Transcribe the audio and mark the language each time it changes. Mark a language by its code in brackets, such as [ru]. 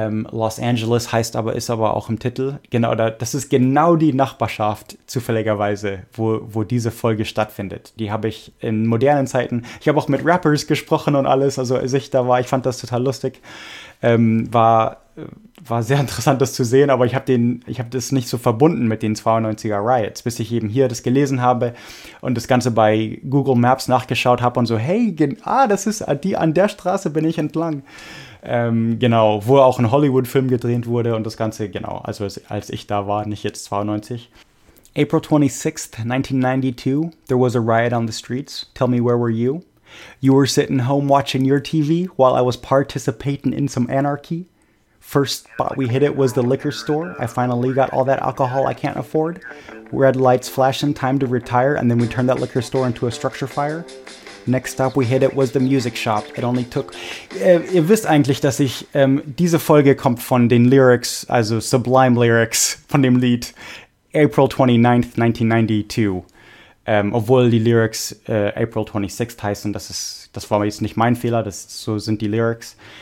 [de] Los Angeles heißt aber, ist aber auch im Titel, genau, das ist genau die Nachbarschaft, zufälligerweise, wo diese Folge stattfindet, die habe ich in modernen Zeiten, ich habe auch mit Rappers gesprochen und alles, also als ich da war, ich fand das total lustig, war sehr interessant, das zu sehen, aber ich habe das nicht so verbunden mit den 92er Riots, bis ich eben hier das gelesen habe und das Ganze bei Google Maps nachgeschaut habe und so, hey, das ist die, an der Straße bin ich entlang. Genau, wo auch ein Hollywood-Film gedreht wurde und das Ganze, genau, also als ich da war, nicht jetzt 92. [en] April 26th, 1992, there was a riot on the streets. Tell me, where were you? You were sitting home watching your TV while I was participating in some anarchy. First spot we hit it was the liquor store. I finally got all that alcohol I can't afford. Red lights flashing, time to retire, and then we turned that liquor store into a structure fire. Next stop we hit it was the music shop. It only took... [de] ihr wisst eigentlich, dass ich... diese Folge kommt von den Lyrics, also Sublime Lyrics von dem Lied April 29th, 1992. Obwohl die Lyrics April 26th heißen, das war jetzt nicht mein Fehler, so sind die Lyrics.